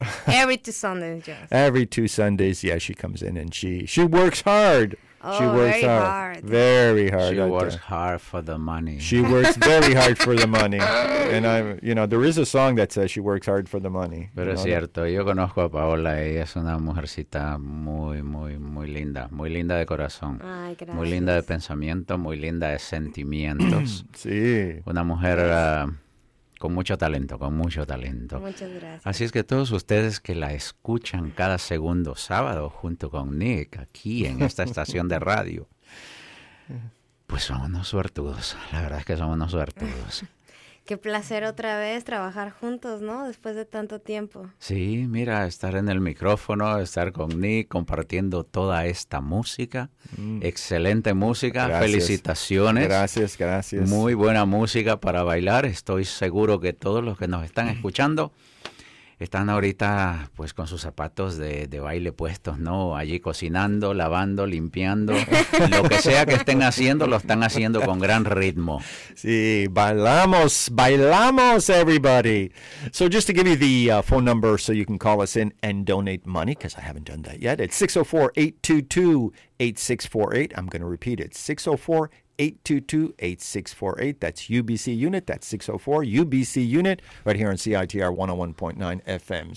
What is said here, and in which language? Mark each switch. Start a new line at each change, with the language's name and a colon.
English: Every 2 Sundays, yes. Every 2 Sundays, yeah, she comes in and she works hard. She works very hard. Very hard. She works hard for the money. She works very hard for the money. And I'm, you know, there is a song that says she works hard for the money.
Spanish: Pero es cierto. Yo conozco a Paola. Ella es una mujercita muy, muy, muy linda. Muy linda de corazón. Ay, gracias. Muy linda de pensamiento. Muy linda de sentimientos. Sí. Una mujer con mucho talento, con mucho talento. Muchas gracias. Así es que todos ustedes que la escuchan cada segundo sábado junto con Nick aquí en esta estación de radio, pues son unos suertudos. La verdad es que son unos suertudos. Qué placer otra vez trabajar juntos, ¿no? Después de tanto tiempo. Sí, mira, estar en el micrófono, estar con Nick compartiendo toda esta música. Mm. Excelente música. Gracias. Felicitaciones. Gracias, gracias. Muy buena música para bailar. Estoy seguro que todos los que nos están escuchando están ahorita pues con sus zapatos de baile puestos, ¿no? Allí cocinando, lavando, limpiando, lo que sea que estén haciendo, lo están haciendo con gran ritmo. Sí, bailamos, bailamos, everybody.
English: So just to give you the phone number so you can call us in and donate money, because I haven't done that yet, it's 604-822-8648. I'm going to repeat it, 604-822-8648. 822-8648. That's UBC unit. That's 604 UBC unit right here on CITR 101.9 FM.